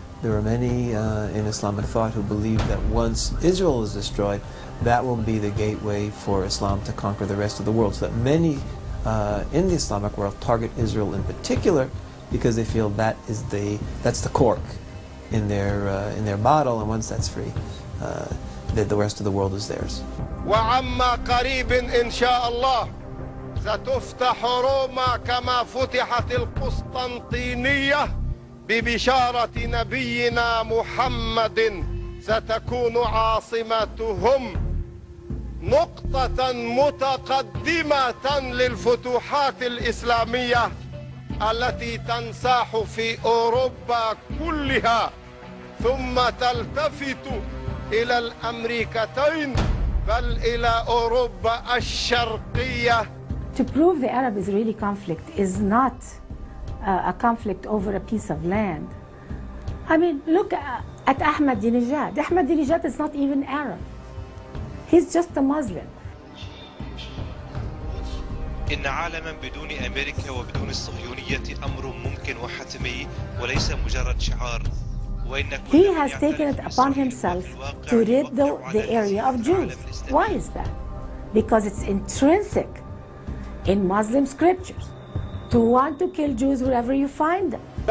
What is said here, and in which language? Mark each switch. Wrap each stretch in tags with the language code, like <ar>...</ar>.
<en>There are many in Islamic thought who believe that once Israel is destroyed, that will be the gateway for Islam to conquer the rest of the world. So that many in the Islamic world target Israel in particular because they feel that is that's the cork in their bottle, and once that's free, that the rest of the world is theirs.</en> <ar>وَعَمَّا قَرِيبٍ إِنْ شَاءَ اللَّهِ سَتُفْتَحُ رُومَا كَمَا فُتِحَتِ الْقُسْطَنْطِينِيَّةِ ببشارة نبينا محمد ستكون عاصمتهم نقطة متقدمة للفتوحات الإسلامية التي تنساح في أوروبا كلها ثم تلتفت إلى الأمريكتين بل إلى أوروبا الشرقية.</ar> <en>To prove the Arab-Israeli conflict is not a conflict over a piece of land. I mean, look at Ahmadinejad. Ahmadinejad is not even Arab. He's just a Muslim.</en> <ar>إن عالما بدون أمريكا وبدون الصهيونية أمر ممكن وحتمي وليس مجرد شعار.</ar> <en>He has taken it upon himself to rid the area of Jews. Why is that? Because it's intrinsic in Muslim scriptures. To want to kill Jews wherever you find them.</en>